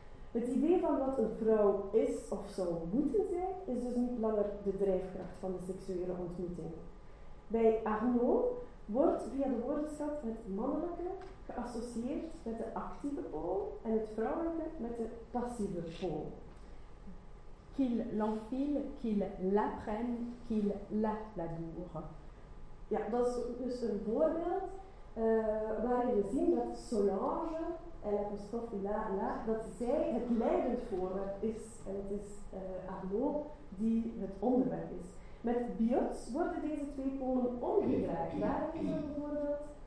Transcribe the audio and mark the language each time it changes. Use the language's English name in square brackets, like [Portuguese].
[Dutch] Het idee van wat een vrouw is of zou moeten zijn, is dus niet langer de drijfkracht van de seksuele ontmoeting. Bij Arnaud wordt via de woordenschat het mannelijke geassocieerd met de actieve pool en het vrouwelijke met de passieve pool. [French] Qu'il l'enfile, qu'il l'apprenne, qu'il la laboure. [Dutch] Ja, dat is dus een voorbeeld waarin we zien dat Solange en Apostrophe la, dat zij het leidend voorwerp is. En het is Arnaud die het onderwerp is. Met Biots worden deze twee polen omgedraaid. Waar is dat bijvoorbeeld?